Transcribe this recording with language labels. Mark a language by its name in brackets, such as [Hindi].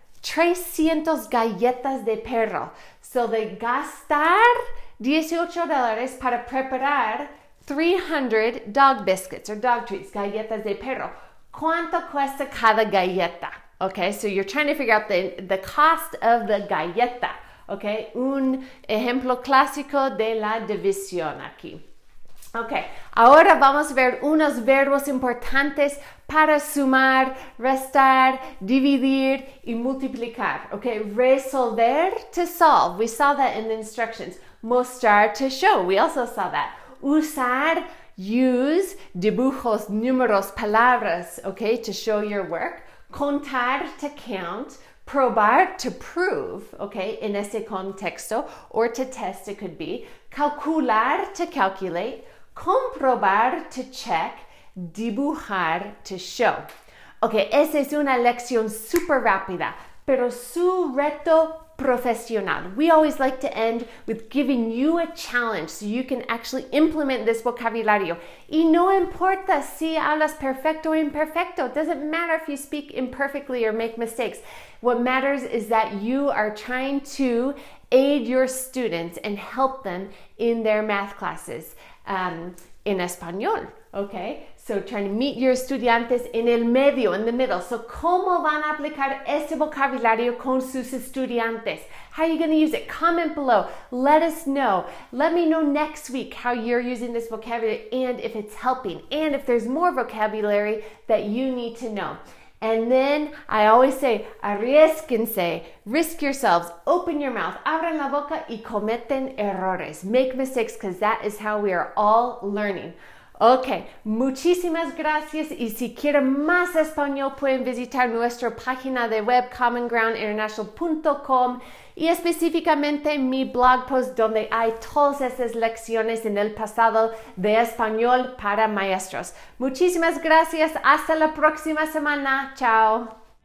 [Spanish] 300 galletas de perro. [English] So they [Spanish] gastar $18 para preparar 300 [English] dog biscuits or dog treats, [Spanish] galletas de perro. ¿Cuánto cuesta cada galleta? [English] Okay, so you're trying to figure out the cost of the galleta. [Spanish] Okay, un ejemplo clásico de la división aquí. Okay, ahora vamos a ver unos verbos importantes para sumar, restar, dividir y multiplicar. [English] Okay, resolver to solve. We saw that in the instructions. Mostrar to show. We also saw that. Usar, use, [Spanish] dibujos, números, palabras, [English] okay, to show your work. Contar, to count. Probar, to prove, okay, [Spanish] en ese contexto, [English] or to test, it could be. Calcular, to calculate. Comprobar, to check. Dibujar, to show. [Spanish] Okay, esa es una lección súper rápida, pero su reto profesional. [English] We always like to end with giving you a challenge so you can actually implement this vocabulario. [Spanish] Y no importa si hablas perfecto o imperfecto. [English] It doesn't matter if you speak imperfectly or make mistakes. What matters is that you are trying to aid your students and help them in their math classes in español, okay? So trying to meet your [Spanish] estudiantes en el medio, [English] in the middle. [Spanish] So ¿cómo van a aplicar ese vocabulario con sus estudiantes? [English] How are you going to use it? Comment below. Let us know. Let me know next week how you're using this vocabulary and if it's helping and if there's more vocabulary that you need to know. And then I always say, [Spanish] arriesquense, [English] risk yourselves, open your mouth, [Spanish] abran la boca y cometen errores. [English] Make mistakes because that is how we are all learning. [Spanish] Okay, muchísimas gracias. Y si quieren más español, pueden visitar nuestra página de web commongroundinternational.com y específicamente mi blog post donde hay todas esas lecciones en el pasado de español para maestros. Muchísimas gracias. Hasta la próxima semana. Chao.